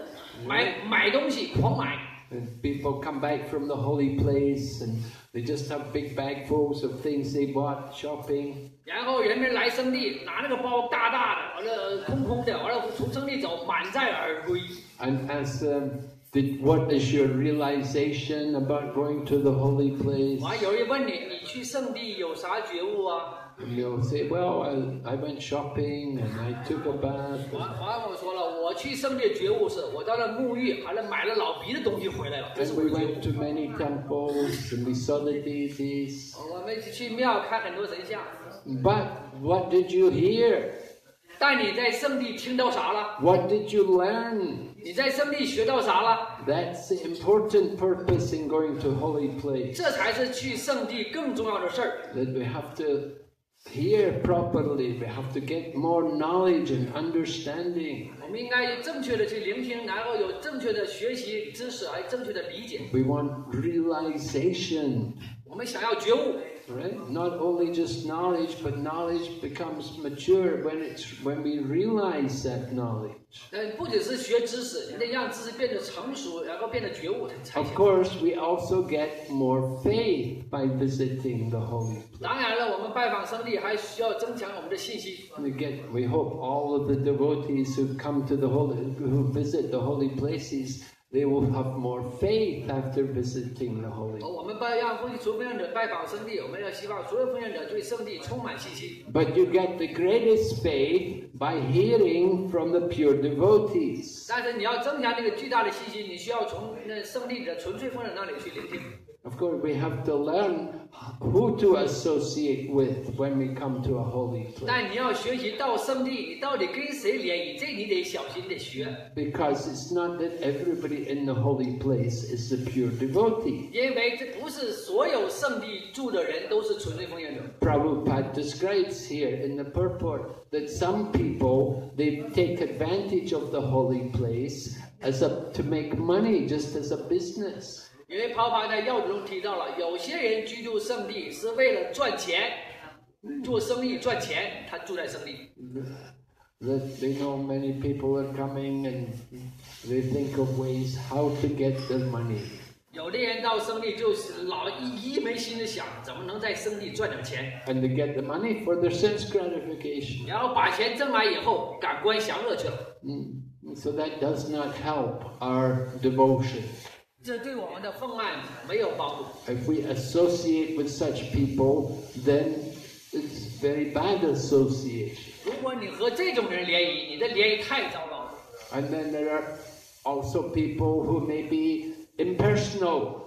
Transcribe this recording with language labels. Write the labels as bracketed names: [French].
[Chinese] 所以我们到圣地不只是要购物，不是为了购物，买东西狂买。 [English] And people come back from the holy place and they just have big bag fulls of things they bought shopping. [Chinese] 然后人们来圣地，拿那个包大大的，完了空空的，完了从圣地走，满载而归。 [English] And ask them, what is your realization about going to the holy place? [Chinese] 完有人问你，你去圣地有啥觉悟啊？ [English] And they'll say, well, I went shopping and I took a bath. [Chinese] 我说了，我去圣地的觉悟是，我到那沐浴，完了买了老鼻的东西回来了。 [English] And we went to many temples and we saw the deities. [Chinese] 我们去庙看很多神像。 [English] But what did you hear? [Chinese] 但你在圣地听到啥了？ [English] What did you learn? [Chinese] 你在圣地学到啥了？ [English] That's the important purpose in going to holy place. [Chinese] 这才是去圣地更重要的事儿。 [English] That we have to hear properly, we have to get more knowledge and understanding. [Chinese] 我们应该正确的去聆听，然后有正确的学习知识，还正确的理解。 [English] We want realization. [Chinese] 我们想要觉悟。 [English] Right? Not only just knowledge, but knowledge becomes mature when we realize that knowledge. [Chinese] 不仅是学知识，你得让知识变得成熟，然后变得觉悟。 [English] Of course, we also get more faith by visiting the holy place. [Chinese] 当然了，我们拜访圣地还需要增强我们的信心。 [English] We hope all of the devotees who come to the holy, who visit the holy places, they will have more faith after visiting the holy place. But you get the greatest faith by hearing from the pure devotees. But you get the greatest faith by hearing from the pure devotees. Of course, we have to learn who to associate with when we come to a holy place. [Chinese] 但你要学习到圣地，你到底跟谁联谊？这你得小心的学。 [English] Because it's not that everybody in the holy place is a pure devotee. [Chinese] 因为这不是所有圣地住的人都是纯粹奉献者。 [English] Prabhupada describes here in the purport that some people they take advantage of the holy place as a, to make money just as a business. [Chinese] 因为跑跑在要旨中提到了，有些人居住圣地是为了赚钱，做生意赚钱，他住在圣地。 [English] They know many people are coming and they think of ways how to get the money. [Chinese] 有的人到圣地就是老一门心的想怎么能在圣地赚点钱。 [English] And they get the money for their sense gratification. [Chinese] 然后把钱挣来以后，感官享乐去了。 [English] So that does not help our devotion. [Chinese] 这对我们的奉献没有帮助。 [English] If we associate with such people, then it's very bad association. [Chinese] 如果你和这种人联谊，你的联谊太糟糕了。 [English] And then there are also people who may be impersonal.